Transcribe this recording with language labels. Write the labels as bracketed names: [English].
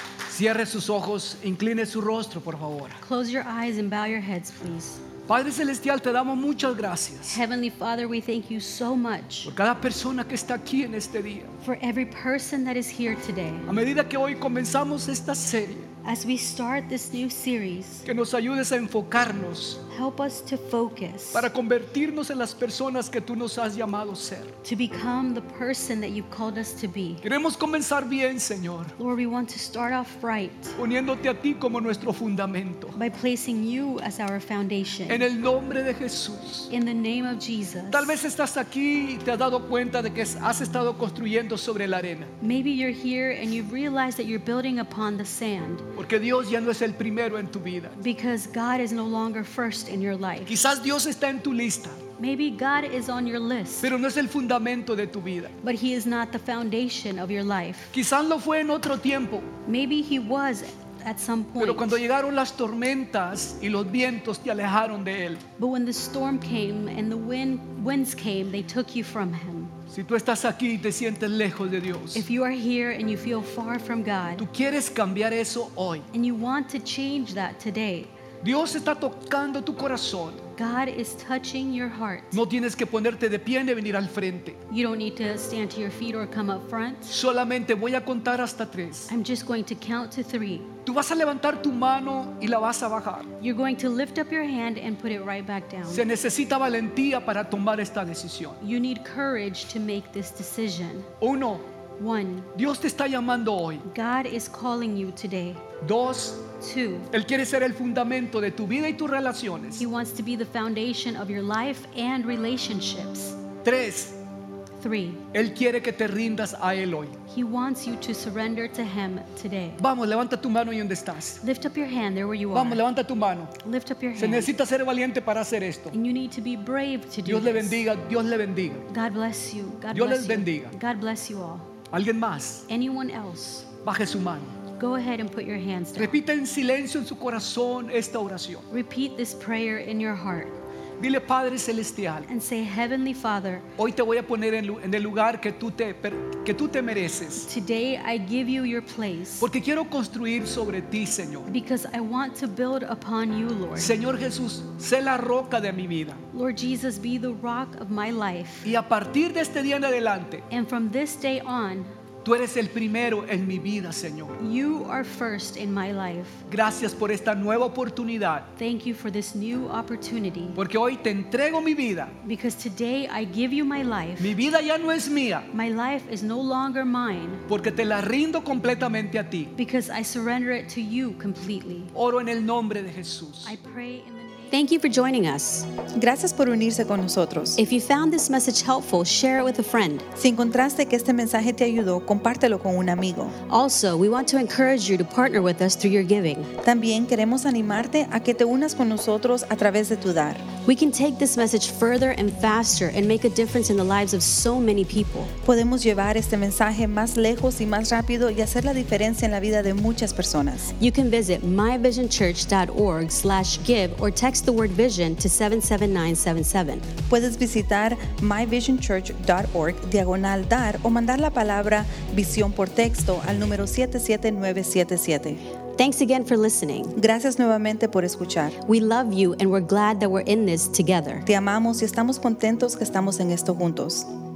[Spanish] Cierre sus ojos, incline su rostro, por favor. [English] Close your eyes and bow your heads, please. [Spanish] Padre celestial, te damos muchas gracias. [English] Heavenly Father, we thank you so much. [Spanish] Por cada persona que está aquí en este día. [English] For every person that is here today. [Spanish] A medida que hoy comenzamos esta serie. [English] As we start this new series, [Spanish] que nos ayudes a enfocarnos, [English] help us to focus, [Spanish] para convertirnos en las personas que tú nos has llamado ser, [English] to become the person that you've called us to be. [Spanish] Queremos comenzar bien, Señor, [English] Lord, we want to start off right, [Spanish] poniéndote a ti como nuestro fundamento, [English] by placing you as our foundation, [Spanish] en el nombre de Jesús, [English] in the name of Jesus. [Spanish] Tal vez estás aquí y te has dado cuenta de que has estado construyendo sobre la arena. [English] Maybe you're here and you've realized that you're building upon the sand. [Spanish] Porque Dios ya no es el primero en tu vida. [English] Because God is no longer first in your life. [Spanish] Quizás Dios está en tu lista. [English] Maybe God is on your list. [Spanish] Pero no es el fundamento de tu vida. [English] But he is not the foundation of your life. [Spanish] Quizás lo fue en otro tiempo. [English] Maybe he was at some point. [Spanish] Pero cuando llegaron las tormentas y los vientos te alejaron de él. [English] But when the storm came and the winds came, they took you from him. [Spanish] Si tú estás aquí y te sientes lejos de Dios, [English] if you are here and you feel far from God, [Spanish] tú quieres cambiar eso hoy, [English] and you want to change that today, [Spanish] Dios está tocando tu corazón. [English] God is touching your heart. [Spanish] No tienes que ponerte de pie ni venir al frente. [English] You don't need to stand to your feet or come up front. [Spanish] Solamente voy a contar hasta tres. [English] I'm just going to count to three. [Spanish] Tú vas a levantar tu mano y la vas a bajar. [English] You're going to lift up your hand and put it right back down. [Spanish] Se necesita valentía para tomar esta decisión. [English] You need courage to make this decision. [Spanish] Uno. [English] One. [Spanish] Dios te está llamando hoy. [English] God is calling you today. [Spanish] Dos. [English] Two. [Spanish] Él quiere ser el fundamento de tu vida y tus relaciones. [English] He wants to be the foundation of your life and relationships. [Spanish] Tres. [English] Three. [Spanish] Él quiere que te rindas a Él hoy. [English] He wants you to surrender to Him today. [Spanish] Vamos, levanta tu mano ahí donde estás. [English] Lift up your hand there where you [Spanish] are. Vamos, levanta tu mano. [English] Lift up your hand. [Spanish] Se necesita ser valiente para hacer esto. [English] And you need to be brave to do this. [Spanish] Dios le bendiga. Dios le bendiga. [English] God bless you. God bless you. [Spanish] Dios les bendiga. [English] God bless you all. [Spanish] ¿Alguien más? [English] Anyone else? [Spanish] Baje su mano. [English] Go ahead and put your hands down. [Spanish] Repita en silencio en su corazón esta oración. [English] Repeat this prayer in your heart. [Spanish] Dile, Padre Celestial, [English] and say, Heavenly Father, [Spanish] hoy te voy a poner en el lugar que tú te mereces. [English] Today I give you your place. [Spanish] Porque quiero construir sobre ti, Señor. [English] Because I want to build upon you, Lord. [Spanish] Señor Jesús, sé la roca de mi vida. [English] Lord Jesus, be the rock of my life. [Spanish] Y a partir de este día en adelante, [English] and from this day on, [Spanish] tú eres el primero en mi vida, Señor. [English] You are first in my life. [Spanish] Gracias por esta nueva oportunidad. [English] Thank you for this new opportunity. [Spanish] Porque hoy te entrego mi vida. [English] Because today I give you my life. [Spanish] Mi vida ya no es mía. [English] My life is no longer mine. [Spanish] Porque te la rindo completamente a ti. [English] Because I surrender it to you completely. [Spanish] Oro en el nombre de Jesús. [English] I pray in the Thank you for joining us. [Spanish] Gracias por unirse con nosotros. [English] If you found this message helpful, share it with a friend. [Spanish] Si encontraste que este mensaje te ayudó, compártelo con un amigo. [English] Also, we want to encourage you to partner with us through your giving. [Spanish] También queremos animarte a que te unas con nosotros a través de tu dar. [English] We can take this message further and faster and make a difference in the lives of so many people. [Spanish] Podemos llevar este mensaje más lejos y más rápido y hacer la diferencia en la vida de muchas personas. [English] You can visit myvisionchurch.org/give or text the word vision to 77977. [Spanish] Puedes visitar myvisionchurch.org/dar o mandar la palabra visión por texto al número 77977. [English] Thanks again for listening. [Spanish] Gracias nuevamente por escuchar. [English] We love you and we're glad that we're in this together. [Spanish] Te amamos y estamos contentos que estamos en esto juntos.